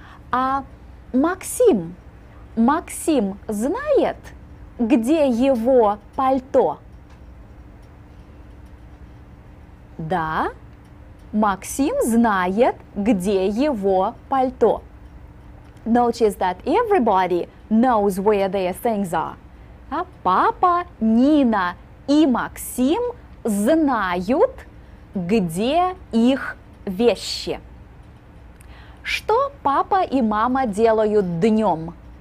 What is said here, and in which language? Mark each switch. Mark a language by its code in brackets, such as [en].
[ru] А Максим знает, где его пальто? Да, Максим знает, где его пальто. [en] Notice that everybody knows where their things are. [ru] Папа, Нина и Максим знают, где их вещи. Что папа и мама делают днем?